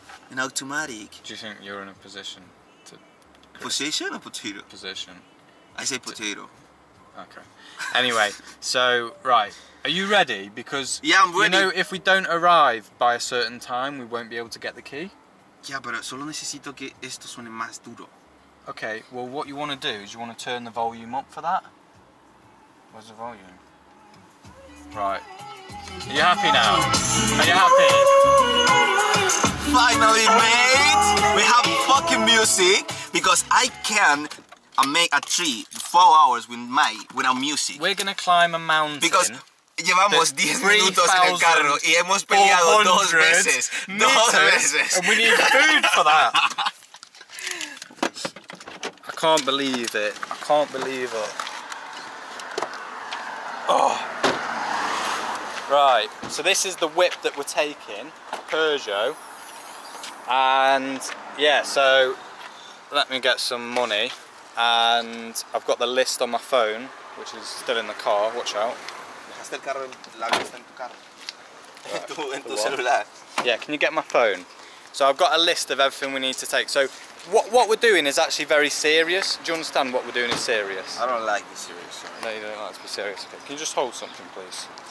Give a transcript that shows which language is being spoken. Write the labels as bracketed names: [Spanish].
[English] An automatic. Do you think you're in a position to... Position or potato? Position. I say potato. Okay. Anyway, so, right. Are you ready? Because... Yeah, I'm ready. You know, if we don't arrive by a certain time, we won't be able to get the key? [Spanish] Yeah, pero solo necesito que esto suene más duro. [English] Okay, well, what you want to do is you want to turn the volume up for that. Where's the volume? Right. Are you happy now? Are you happy? Finally, mate! We have fucking music because I can make a tree 4 hours with my without music. We're gonna climb a mountain. Because [Spanish] llevamos 10 minutos en el carro y hemos peleado dos veces. Dos veces. [English] And we need food for that. I can't believe it. I can't believe it. Oh. Right, so this is the whip that we're taking, Peugeot, and yeah, so let me get some money, and I've got the list on my phone, which is still in the car, watch out. [Spanish] ¿Dejaste el carro, la lista en tu carro? in tu celular. [English] Yeah, can you get my phone? So I've got a list of everything we need to take. So what we're doing is actually very serious. Do you understand what we're doing is serious? I don't like the serious. No, you don't like to be serious. Okay. Can you just hold something, please?